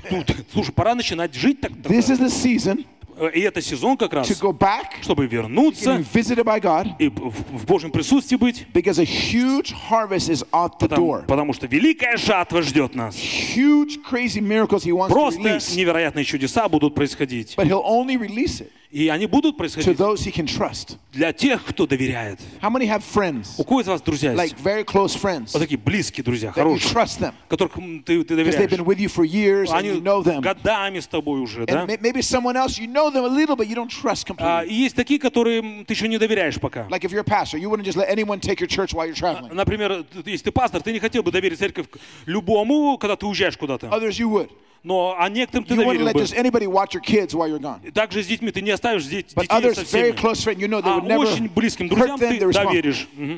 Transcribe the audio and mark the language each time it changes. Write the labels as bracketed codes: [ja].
[ru] Тут, слушай, пора начинать жить так. [en] This is the season. [ru] И это сезон как раз. [en] To go back. [ru] Чтобы вернуться. [en] Be visited by God. [ru] И в Божьем присутствии быть. [en] Because a huge harvest is at the door. [ru] Потому что великая жатва ждет нас. [en] Huge crazy miracles he wants to release. [ru] Просто невероятные чудеса будут происходить. [en] But he'll only release it. [ru] И они будут происходить для тех, кто доверяет. [en] How many have friends? [ru] У кого из вас друзья есть? [en] Like very close friends. [ru] Вот такие близкие друзья, хорошие, [en] that you trust them. [ru] Которых ты доверяешь. [en] Because they've been with you for years and you know them. [ru] Годами с тобой уже, да? [en] And maybe someone else you know them a little but you don't trust completely. [ru] А есть такие, которым ты еще не доверяешь пока. [en] Like if you're a pastor, you wouldn't just let anyone take your church while you're traveling. [ru] Например, если ты пастор, ты не хотел бы доверить церковь любому, когда ты уезжаешь куда-то. [en] Others you would. [ru] Но а некоторым ты доверил бы. Также с детьми ты не оставишь детей со всеми. [en] Friend, you know, [ru] а очень близким друзьям ты доверишь.